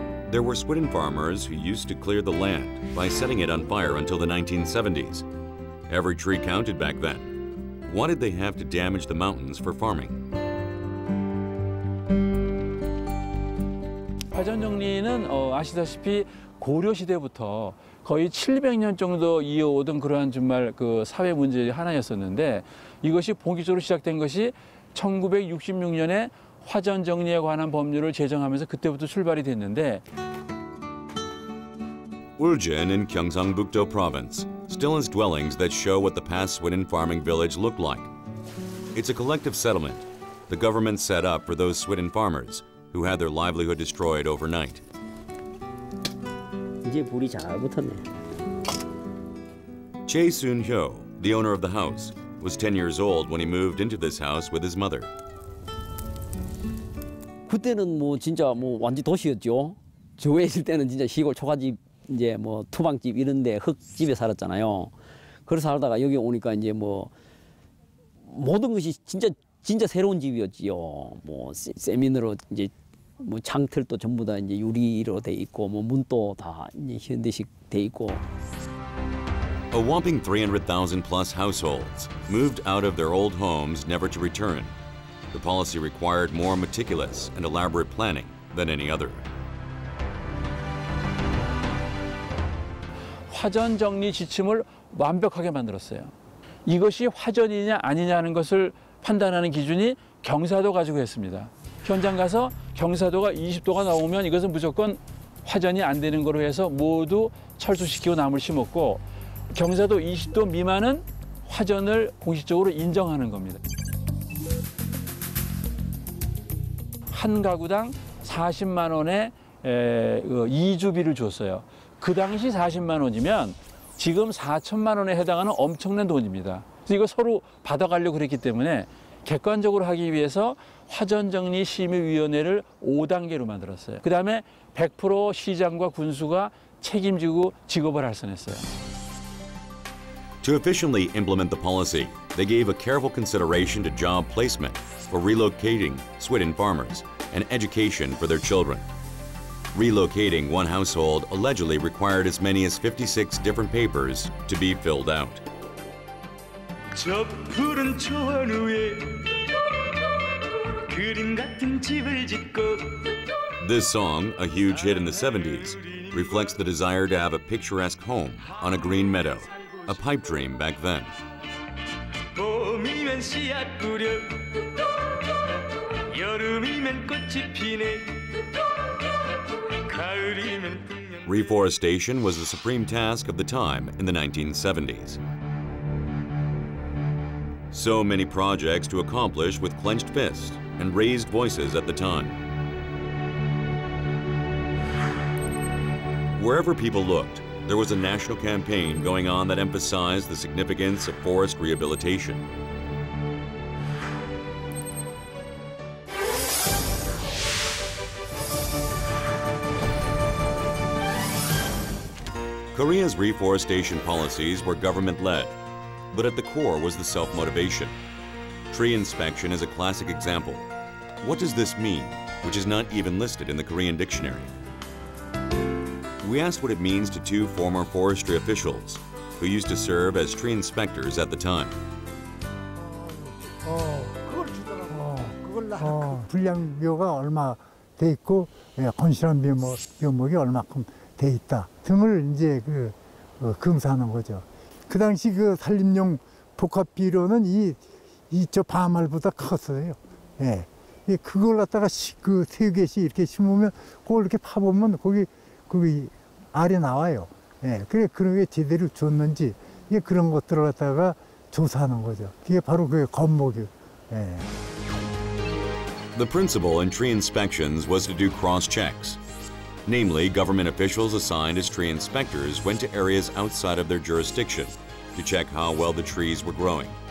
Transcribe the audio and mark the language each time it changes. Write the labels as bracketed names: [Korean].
[English] There were Sweden farmers who used to clear the land by setting it on fire until the 1970s. Every tree counted back then. Why did they have to damage the mountains for farming? [Korean] 화전 정리는 아시다시피 고려 시대부터 거의 700년 정도 이어오던 그러한 정말 그 사회 문제 하나였었는데 이것이 본격적으로 시작된 것이 1966년에 화전 정리에 관한 법률을 제정하면서 그때부터 출발이 됐는데 [English] Uljin in Gyeongsangbuk-do province still has dwellings that show what the past Sweden farming village looked like. It's a collective settlement the government set up for those Sweden farmers who had their livelihood destroyed overnight. [Korean] 이제 불이 잘 붙었네. [English] Choi Soon-hyo, the owner of the house, was 10 years old when he moved into this house with his mother. [Korean] 그때는 뭐 진짜 뭐 완전 도시였죠. 저에 있을 때는 진짜 시골 초가집 이제 뭐 투방집 이런 데 흙집에 살았잖아요. 그래서 살다가 여기 오니까 이제 뭐 모든 것이 진짜 새로운 집이었지요. 뭐 세미너로 이제 뭐 창틀도 전부 다 이제 유리로 돼 있고 뭐 문도 다 이제 현대식 돼 있고. [English] A whopping 300,000 plus households moved out of their old homes never to return. The policy required more meticulous and elaborate planning than any other. [Korean] 화전 정리 지침을 완벽하게 만들었어요. 이것이 화전이냐 아니냐는 것을 판단하는 기준이 경사도 가지고 했습니다. 현장 가서 경사도가 20도가 나오면 이것은 무조건 화전이 안 되는 거로 해서 모두 철수시키고 나무를 심었고 경사도 20도 미만은 화전을 공식적으로 인정하는 겁니다. 한 가구당 40만 원의 이주비를 줬어요. 그 당시 40만 원이면 지금 4천만 원에 해당하는 엄청난 돈입니다. 그래서 이거 서로 받아가려고 그랬기 때문에 객관적으로 하기 위해서 화전정리심의위원회를 5단계로 만들었어요. 그 다음에 100% 시장과 군수가 책임지고 직업을 알선했어요. [English] To efficiently implement the policy, they gave a careful consideration to job placement for relocating Sweden farmers and education for their children. Relocating one household allegedly required as many as 56 different papers to be filled out. [Korean] 저 푸른 초원 위에 그림 같은 집을 짓고 [English] This song, a huge hit in the 70s, reflects the desire to have a picturesque home on a green meadow, a pipe dream back then. [Korean] 봄이면 씨앗 뿌려 여름이면 꽃이 피네 [English] Reforestation was the supreme task of the time in the 1970s. So many projects to accomplish with clenched fists and raised voices at the time. Wherever people looked, there was a national campaign going on that emphasized the significance of forest rehabilitation. Korea's reforestation policies were government-led, but at the core was the self-motivation. Tree inspection is a classic example. What does this mean, which is not even listed in the Korean dictionary? We asked what it means to two former forestry officials who used to serve as tree inspectors at the time. [Korean] 분량료가 얼마 돼 있고 건실한 묘목이 얼마큼 돼 있다 등을 이제 그 검사하는 거죠. 그 당시 그 산림용 복합 비료는 이저 밤알보다 컸어요. 예, 예 그걸 갖다가 그 세 개씩 이렇게 심으면 그걸 이렇게 파보면 거기 알이 나와요. 예, 그래 그런 게 제대로 줬는지 이게 그런 것들을 갖다가 조사하는 거죠. 그게 바로 그 겉목이. 예. [English] The principle in tree inspections was to do cross checks. Namely, government officials assigned as tree inspectors went to areas outside of their jurisdiction to check how well the trees were growing.